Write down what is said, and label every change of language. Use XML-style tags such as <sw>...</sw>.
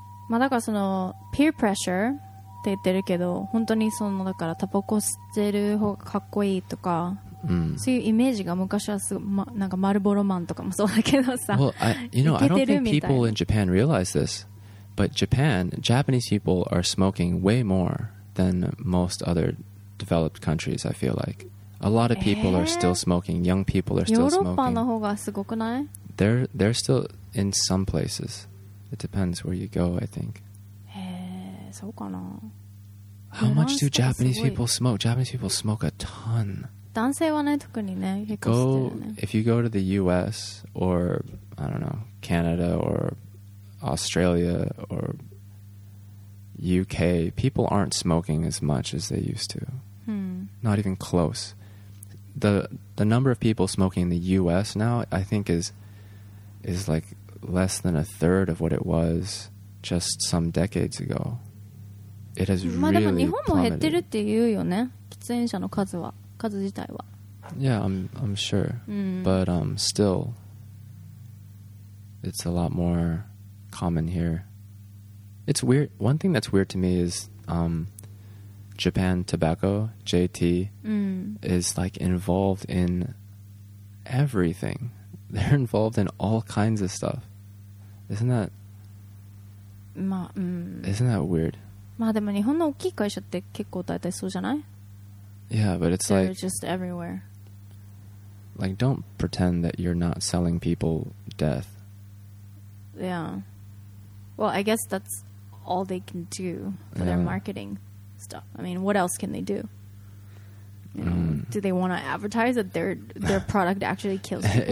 <ja>まあだからその</ja> <en>peer pressure</en> <ja>って言ってるけど、本当にそのだからタバコ吸ってる方がかっこいいとか、そういうイメージが昔はすぐ、ま、なんかマルボロマンとかもそうだけどさ、</ja> <en>well, you know,</en> <ja>いけてるみたい。</ja> <en>I don't think people in Japan realize this, but Japan, Japanese people are smoking way more than most other developed countries, I feel like. A lot of people are still smoking. Young people are still smoking.</en> <ja>ヨーロッパの方がすごくない？</ja> <en>They're still in some places. It depends where you go, I think.</en> <ja>そうかな。</ja> <en>How much do Japanese people smoke? Japanese people smoke a ton.</en> <ja>男性はね、特にね、結構してるよね。</ja> <en>If you go to the US or, I don't know, Canada or Australia or UK, people aren't smoking as much as they used to. Not even close. The number of people smoking in the US now, I think, is like less than a third of what it was just some decades ago. It has really plummeted. But even in Japan, it's increasing, right? The number of smokers itself. Yeah, I'm sure. But still, it's a lot more common here. It's weird. One thing that's weird to me is Japan Tobacco, JT, is like involved in everything. They're involved in all kinds of stuff. Isn't that weird?</en> <ja>まあでも日本の大きい会社って結構大体そうじゃない?</ja> <en>Yeah, but it's like... They're just everywhere. Like, don't pretend that you're not selling people death. Yeah. Well, I guess that's all they can do for their marketing stuff. I mean, what else can they do? Do they want to advertise that their product actually kills people?</en>